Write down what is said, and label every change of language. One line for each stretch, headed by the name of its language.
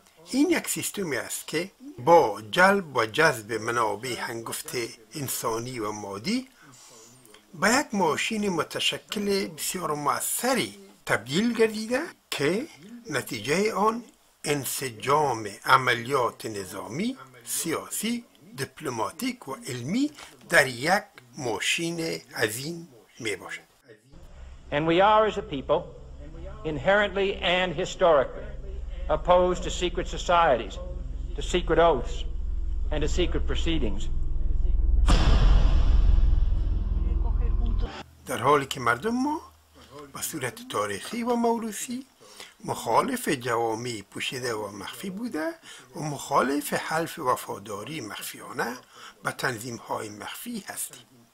Persian: این یک سیستمی است که با جلب و جذب منابع هنگفت انسانی و مادی به یک ماشین متشکل بسیار مؤثری تبدیل گردیده که نتیجه آن انسجام عملیات نظامی، سیاسی، دیپلماتیک و علمی در یک ماشین عظیم می باشد.
English: And we are as a people inherently and historically opposed to secret societies, to secret oaths, and to secret proceedings.
Persian: در حالی که مردم ما به صورت تاریخی و موروثی مخالف جوامع پوشیده و مخفی بوده و مخالف حلف وفاداری مخفیانه به تنظیم های مخفی هستیم.